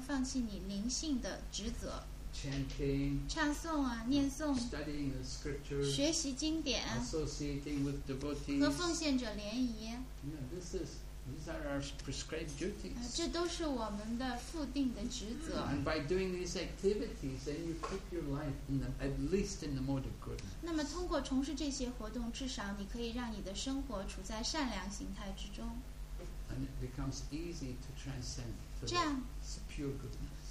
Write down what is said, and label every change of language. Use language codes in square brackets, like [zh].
[zh] 你可以放弃你的工作，但是你却不能放弃你灵性的职责。 [en] Chanting, [zh] 唱诵啊，念诵, [en] studying the scriptures, [zh] 学习经典, [en] associating with devotees, [zh] 和奉献者联谊, [en] these are our prescribed duties. [zh] 这都是我们的附定的职责。 [en] And by doing these activities, then you keep your life at least in the mode of goodness. [zh] 那么通过从事这些活动, 至少你可以让你的生活处在善良形态之中。 [en] And it becomes easy to transcend to the pure goodness.